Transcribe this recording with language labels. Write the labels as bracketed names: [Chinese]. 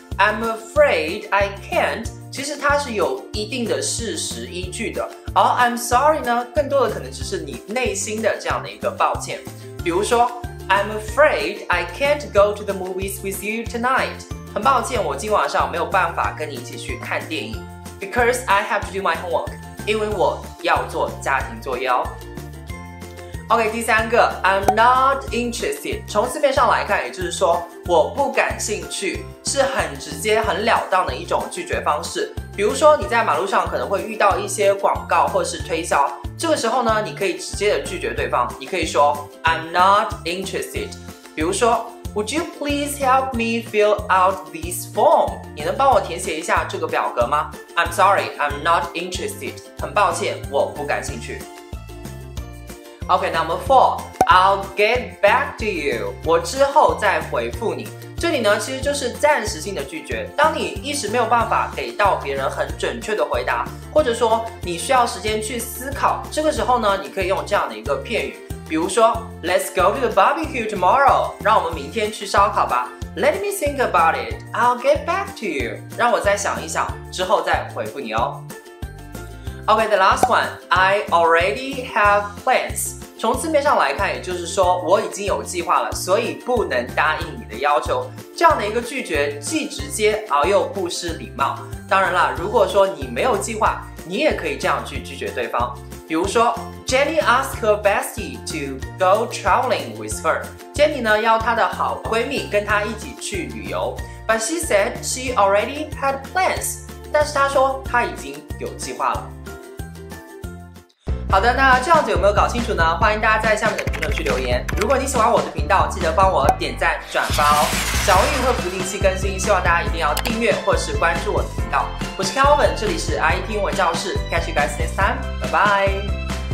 [English] I'm afraid I can't [Chinese] 其实它是有一定的事实依据的，而 [English] I'm sorry [Chinese] 呢，更多的可能只是你内心的这样的一个抱歉。比如说 [English] I'm afraid I can't go to the movies with you tonight， [Chinese] 很抱歉我今晚上没有办法跟你一起去看电影。 [English] Because I have to do my homework， [Chinese] 因为我要做家庭作业哦。 [English] OK， [Chinese] 第三个 [English] ，I'm not interested。 [Chinese] 从字面上来看，也就是说我不感兴趣，是很直接、很了当的一种拒绝方式。比如说你在马路上可能会遇到一些广告或是推销，这个时候呢，你可以直接的拒绝对方，你可以说 [English] I'm not interested。 [Chinese] 比如说 [English] ，Would you please help me fill out this form？ [Chinese] 你能帮我填写一下这个表格吗？ [English] I'm sorry, I'm not interested. [Chinese] 很抱歉，我不感兴趣。 [English] OK, number four, I'll get back to you. [Chinese] 我之后再回复你。这里呢，其实就是暂时性的拒绝。当你一时没有办法给到别人很准确的回答，或者说你需要时间去思考，这个时候呢，你可以用这样的一个片语，比如说 [English] Let's go to the barbecue tomorrow. [Chinese] 让我们明天去烧烤吧。 [English] Let me think about it. I'll get back to you. [Chinese] 让我再想一想，之后再回复你哦。 [English] Okay, the last one. I already have plans. [Chinese] 从字面上来看，也就是说我已经有计划了，所以不能答应你的要求。这样的一个拒绝既直接而又不失礼貌。当然了，如果说你没有计划，你也可以这样去拒绝对方。比如说 [English] ，Jenny asked her bestie to go traveling with her. [Chinese] Jenny 呢邀她的好闺蜜跟她一起去旅游 ， [English] but she said she already had plans. [Chinese] 但是她说她已经有计划了。好的，那这样子有没有搞清楚呢？欢迎大家在下面的评论区留言。如果你喜欢我的频道，记得帮我点赞转发哦。小英语会不定期更新，希望大家一定要订阅或是关注我的频道。我是 Kelvin， 这里是 IT 英文教室 ， [English] Catch you guys next time， [Chinese] 拜拜。